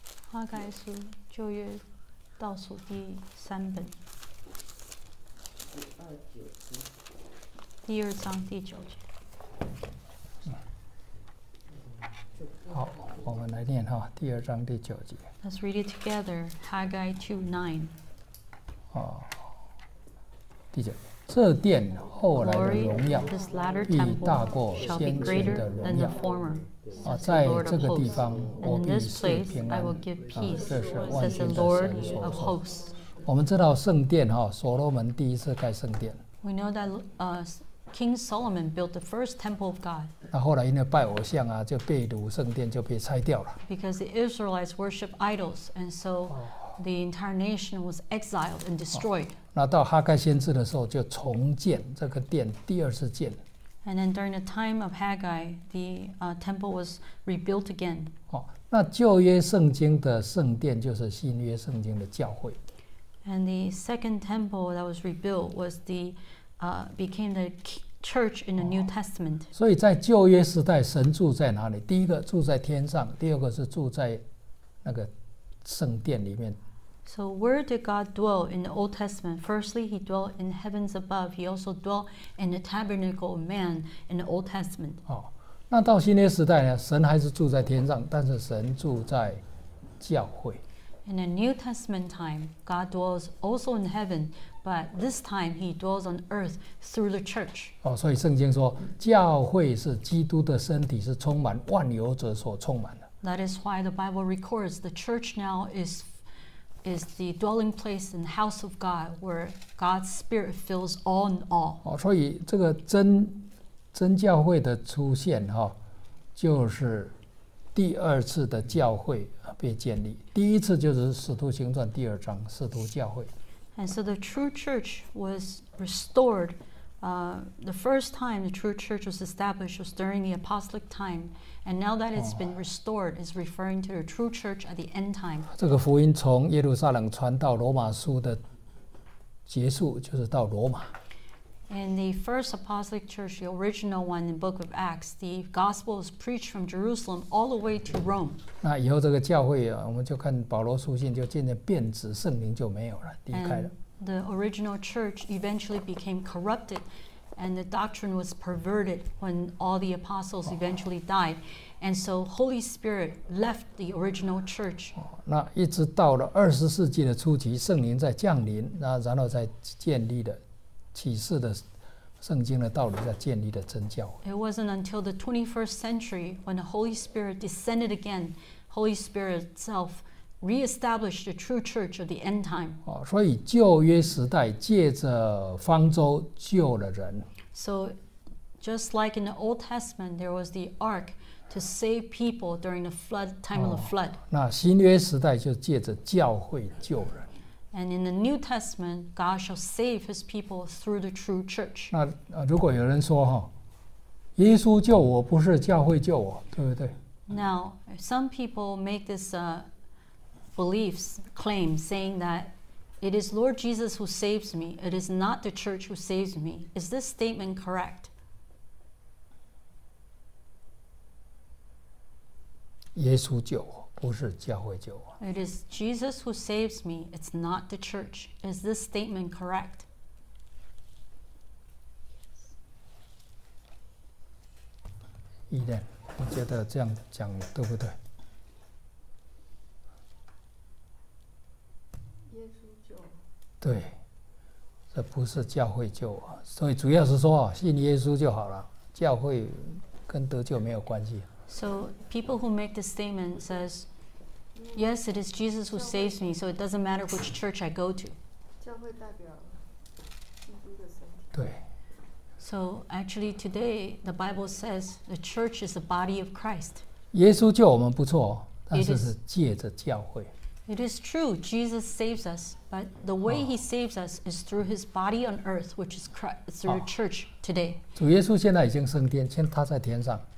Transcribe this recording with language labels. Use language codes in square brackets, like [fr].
[zh] 哈该书旧约倒数第三本，第二章第九节。好，我们来念第二章第九节。 [en] Let's read it together, Haggai 2:9. [zh] 第九节，这殿后来的荣耀必大过先前的荣耀。在这个地方，我必赐平安。这是万军的神所说。我们知道圣殿所罗门第一次盖圣殿。 [en] We know that, King Solomon built the first temple of God. [zh] 那后来因为拜偶像就被掳，圣殿就被拆掉了。 [en] Because the Israelites worship idols, and so the entire nation was exiled and destroyed. [zh] 那到哈该先知的时候，就重建这个殿，第二次建。 [en] And then during the time of Haggai, the temple was rebuilt again. [zh] 哦，那旧约圣经的圣殿就是新约圣经的教会。 [en] And the second temple that was rebuilt was the became the church in the New Testament. [zh] 所以在旧约时代，神住在哪里？第一个住在天上，第二个是住在那个圣殿里面。 [en] So where did God dwell in the Old Testament? Firstly, he dwelt in heavens above. He also dwelt in the tabernacle of man in the Old Testament. [zh] 哦，那到新约时代呢？神还是住在天上，但是神住在教会。 [en] In the New Testament time, God dwells also in heaven, but this time he dwells on earth through the church. [zh] 哦，所以圣经说，教会是基督的身体，是充满万有者所充满的。 [en] That is why the Bible records the church now is the dwelling place and house of God where God's spirit fills all in all. [zh] 哦，所以这个真教会的出现哈，就是第二次的教会被建立。第一次就是使徒行传第二章使徒教会。 [en] And so the true church was restored. The first time the true church was established was during the apostolic time. And now that it's been restored, is referring to the true church at the end time. [zh] 这个福音从耶路撒冷传到罗马书的结束，就是到罗马。 [en] In the first apostolic church, the original one in the book of Acts, the gospel is preached from Jerusalem all the way to Rome. [zh] 那以后这个教会啊，我们就看保罗书信就渐渐变质，圣灵就没有了，离开了。 [en] The original church eventually became corrupted, and the doctrine was perverted when all the apostles eventually died. And so Holy Spirit left the original church. [zh] 那一直到了二十世纪的初期，圣灵在降临，然后再建立的。启示的圣经的道理在建立的真教会。 [en] It wasn't until the 21st century when the Holy Spirit descended again, Holy Spirit itself reestablished the true church of the end time. [zh] 哦，所以旧约时代借着方舟救了人。 [en] So just like in the Old Testament, there was the ark to save people during the flood time of the flood. [zh] 那新约时代就借着教会救人。 [en] And in the New Testament, God shall save His people through the true church. [zh] 那如果有人说哈，耶稣救我，不是教会救我，对不对 [en] ？Now, some people make this beliefs claim, saying that it is Lord Jesus who saves me. It is not the church who saves me. Is this statement correct? [zh] 耶稣救我。不是教会救我。 [en] It is Jesus who saves me. It's not the church. Is this statement correct? [zh] 依恋，你觉得这样讲对不对？耶稣救。对，这不是教会救我，所以主要是说啊，信耶稣就好了，教会跟得救没有关系。 [en] So people who make this statement says. Yes, it is Jesus who saves me, so it doesn't matter which church I go to. [zh] 教会代表基督的身体。对。 [en] So actually, today the Bible says the church is the body of Christ. [zh] 耶稣救我们不错，但是是借着教会。 [en] It is true, Jesus saves us, but the way he saves us is through his body on earth, which is Christ, through the church today. [zh] 主耶稣现在已经升天，现在他在天上。